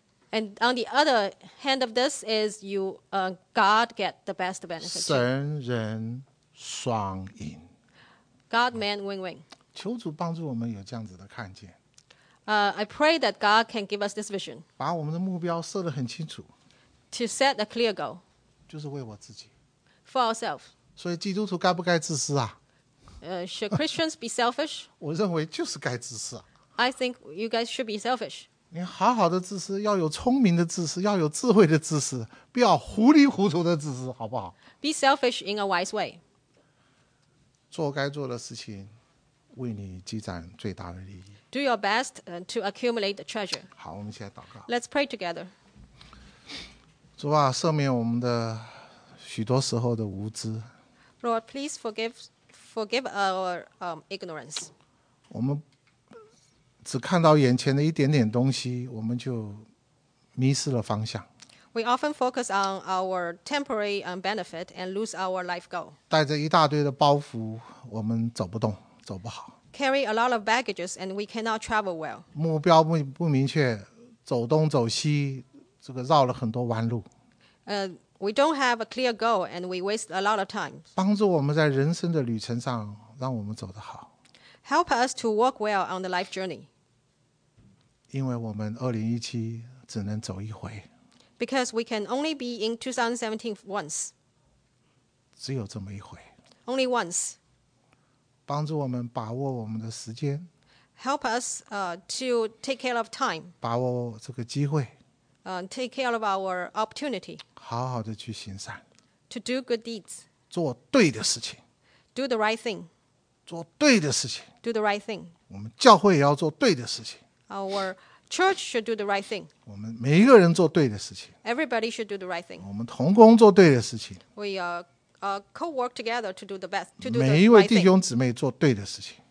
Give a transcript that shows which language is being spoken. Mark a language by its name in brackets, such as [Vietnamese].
[English] And on the other hand of this is you, God get the best benefit. [Chinese] 神人双赢。 [English] God man win-win. [Chinese] 求主帮助我们有这样子的看见。 [English] I pray that God can give us this vision. [Chinese] 把我们的目标设得很清楚。 [English] To set a clear goal. [Chinese] 就是为我自己。 [English] For ourselves. [Chinese] 所以基督徒该不该自私啊？ [English] Should Christians be selfish? [Chinese] 我认为就是该自私。 [English] I think you guys should be selfish. [Chinese] 你好好的自私，要有聪明的自私，要有智慧的自私，不要糊里糊涂的自私，好不好？ [English] Be selfish in a wise way. [Chinese] 做该做的事情，为你积攒最大的利益。 [English] Do your best to accumulate the treasure. [Chinese] 好，我们现在祷告。 [English] Let's pray together. [Chinese] 主啊，赦免我们的许多时候的无知。 [English] Lord, please forgive our ignorance. [Chinese] 我们只看到眼前的一点点东西，我们就迷失了方向。 [English] We often focus on our temporary benefit and lose our life goal. [Chinese] 带着一大堆的包袱，我们走不动，走不好。 [English] Carry a lot of baggages and we cannot travel well. [Chinese] 目标不明确，走东走西，这个绕了很多弯路。 [English] We don't have a clear goal and we waste a lot of time. [Chinese] 帮助我们在人生的旅程上让我们走得好。 [English] Help us to walk well on the life journey. [Chinese] 因为我们2017只能走一回。 [English] Because we can only be in 2017 once. [Chinese] 只有这么一回。 [English] Only once. [Chinese] 帮助我们把握我们的时间。 [English] Help us to take care of time. [Chinese] 把握这个机会。 [English] Take care of our opportunity. [Chinese] 好好的去行善。 [English] To do good deeds. [Chinese] 做对的事情。 [English] Do the right thing. [Chinese] 做对的事情。 [English] Do the right thing. [Chinese] 我们教会也要做对的事情。 [English] Our church should do the right thing. [Chinese] 我们每一个人做对的事情。 [English] Everybody should do the right thing. [Chinese] 我们同工做对的事情。 [English] We co-work together to do the best. To do the right [Chinese] 每一位弟兄姊妹做对的事情。